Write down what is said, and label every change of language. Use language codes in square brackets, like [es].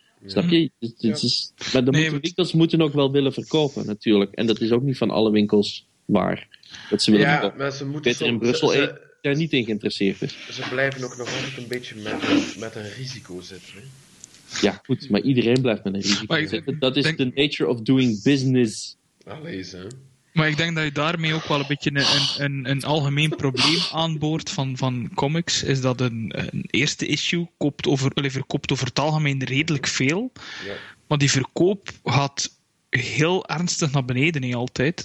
[nl] Snap je? Maar winkels moeten ook wel willen verkopen, natuurlijk. En dat is ook niet van alle winkels waar. Dat ze willen verkopen. Maar ze moeten beter in Brussel daar niet in geïnteresseerd is. Ze blijven ook nog altijd een beetje met een risico zitten, hè? Ja, goed, maar iedereen blijft met een risico zitten. Dat is [en] the nature of doing business. [nl] Allez, hè. Maar ik denk dat je daarmee ook wel een beetje een algemeen probleem aanboort van comics, is dat een eerste issue verkoopt over het algemeen redelijk veel. Ja. Maar die verkoop gaat heel ernstig naar beneden, niet altijd.